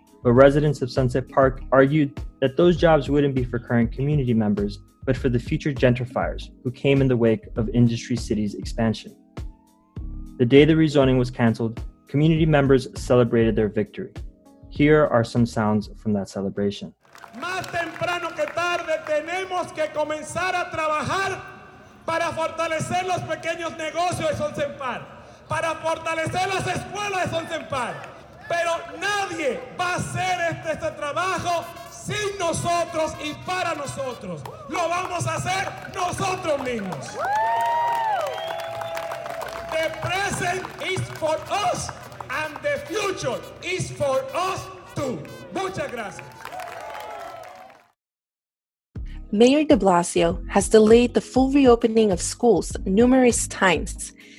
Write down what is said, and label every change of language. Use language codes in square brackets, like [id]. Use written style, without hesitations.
[en] But residents of Sunset Park argued that those jobs wouldn't be for current community members, but for the future gentrifiers who came in the wake of Industry City's expansion. The day the rezoning was canceled, community members celebrated their victory. Here are some sounds from that celebration. [es] Más temprano que tarde tenemos que comenzar a trabajar para fortalecer los pequeños negocios de Sunset Park, para fortalecer las escuelas de Sunset Park. Pero nadie va a hacer este trabajo sin nosotros y para nosotros. Lo vamos a hacer nosotros mismos. [en] The present is for us and the future is for us too. [es] Muchas gracias. [en] Mayor de Blasio has delayed the full reopening of schools numerous times.